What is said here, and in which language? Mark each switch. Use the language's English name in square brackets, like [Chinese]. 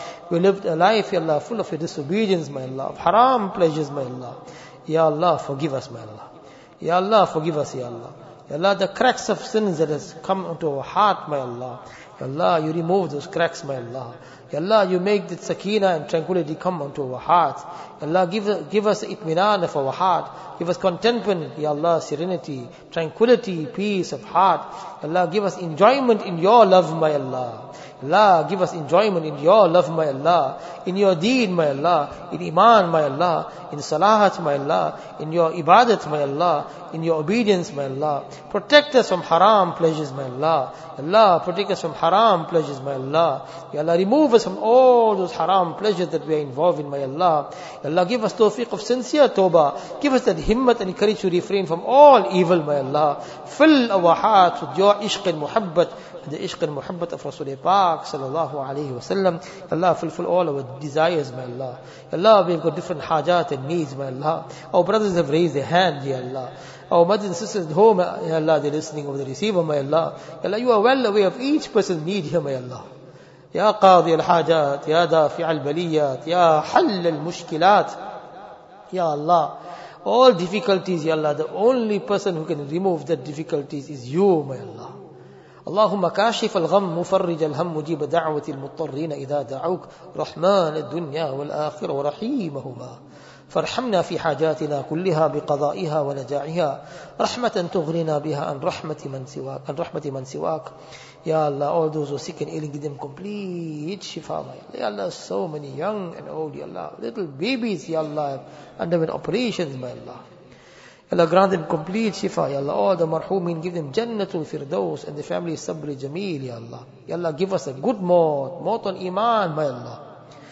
[English] we lived a life یا اللہ full of disobedience my اللہ of حرام pleasures my اللہ یا اللہ forgive us my اللہ یا اللہ forgive us یا اللہ یا اللہ the cracks of sins that has come into our heart my اللہ یا اللہ you remove those cracks my اللہ Ya Allah, you make the sakina and tranquility come unto our hearts. Ya Allah, give us itminan of our heart. Give us contentment, Ya Allah, serenity, tranquility, peace of heart. Ya Allah, give us enjoyment in your love, my Allah. Ya Allah, give us enjoyment in your love, my Allah. In your deen, my Allah. In iman, my Allah. In salahat, my Allah. In your ibadat, my Allah. In your obedience, my Allah. Protect us from haram pleasures, my Allah. Ya Allah, protect us from haram pleasures, my Allah. Ya Allah, remove us from all those haram pleasures that we are involved in, my Allah. Allah, give us tawfiq of sincere tawbah. Give us that himmat and courage to refrain from all evil, my Allah. Fill our hearts with your ishq and muhabbat, the ishq and muhabbat of Rasulullah Pak, sallallahu alayhi wa sallam. Allah, fulfill all our desires, my Allah. Allah, we've got different hajat and needs, my Allah. Our brothers have raised their hand, ya Allah. Our mothers and sisters at home, ya Allah, they're listening over the receiver, my Allah. Allah, you are well aware of each person's need here, my Allah. [Arabic] يا قاضي الحاجات يا دافع البليات يا حل المشكلات يا الله [English] all difficulties يا الله the only person who can remove the difficulties is you my Allah [Arabic] اللهم كاشف الغم مفرج الهم مجيب دعوة المضطرين إذا دعوك رحمن الدنيا والآخرة ورحيمهما فارحمنا في حاجاتنا كلها بقضائها ونجاعها رحمة تغرنا بها عن رحمة من سواك عن رحمة من سواك [English] Ya Allah, all those who are sick and ailing, give them complete shifa, my Allah. Ya Allah, so many young and old, Ya Allah. Little babies, Ya Allah, undergoing operations, my Allah. Ya Allah, grant them complete shifa, Ya Allah. All the marhumin, give them jannatul firdaus and the family sabri jameel, Ya Allah. Ya Allah, give us a good maut, maut on iman, my Allah.